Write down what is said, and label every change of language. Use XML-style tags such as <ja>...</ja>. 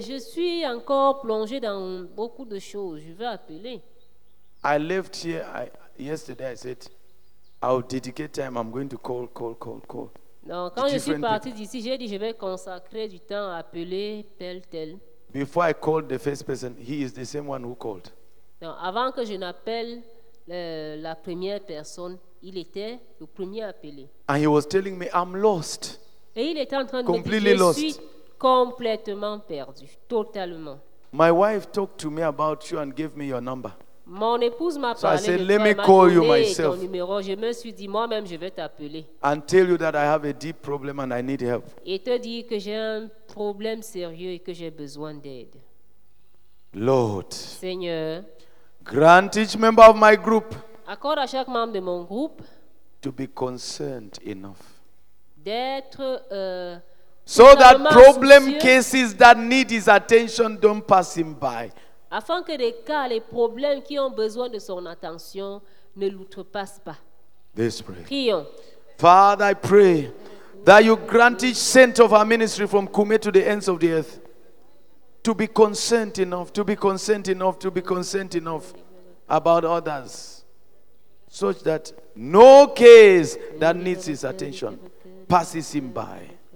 <fr>Je suis encore plongé dans beaucoup de choses. Je vais appeler.</fr> <en>I left here yesterday. I said, I'll dedicate time. I'm going to call.</en> <fr>Non, quand je suis parti d'ici, j'ai dit, je vais consacrer du temps à appeler tel.</fr> <en>Before I called the first person, he is the same one who called.</en> <fr>Non, avant que je n'appelle la première personne, il était le premier appelé.</fr> <en>And he was telling me, I'm lost.</en> <fr>Et il était en train de me dire, je suis complètement perdu, totalement.</fr> <en>My wife talked to me about you and gave me your number.</en> <fr>Mon épouse m'a</fr> <en>so</en> <fr>parlé</fr> <en>I said, let me call you myself.</en> <fr>Ton numéro. Je me suis dit, moi-même, je vais t'appeler.</fr> <en>And tell you that I have a deep problem and I need help.</en> <fr>Et te dire que j'ai un problème sérieux et que j'ai besoin d'aide.</fr> <en>Lord.</en> <fr>Seigneur.</fr> <en>Grant each member of my group.</en> <fr>Accorde à chaque membre de mon groupe.</fr> <en>To be concerned enough.</en> <fr>D'être</fr> <en>so that problem cases that need his attention don't pass him by.</en> <fr>Afin que les cas, les problèmes qui ont besoin de son attention ne l'outrepassent pas. Prions.</fr> <en>Father, I pray that you grant each saint of our ministry from Kume to the ends of the earth to be concerned enough, about others, such that no case that needs his attention passes him by.</en>